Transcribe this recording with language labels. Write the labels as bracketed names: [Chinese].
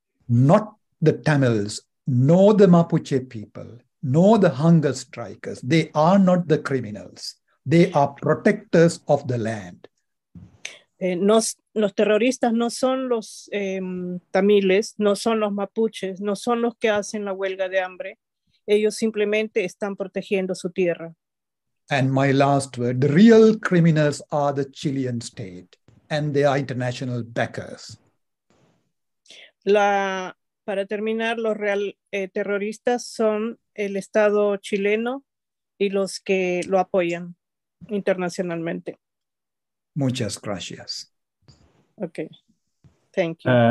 [English] Not the Tamils, nor the Mapuche people, nor the hunger strikers. They are not the criminals. They are protectors of the land. [Spanish] Los terroristas no son los tamiles, no son los mapuches, no son los que hacen la huelga de hambre. Ellos simplemente están protegiendo su tierra. [English] And my last word, the real criminals are the Chilean state and their international backers. [Spanish] Para terminar, los real terroristas son el Estado chileno y los que lo apoyan internacionalmente. Muchas gracias. [English] Okay. Thank you.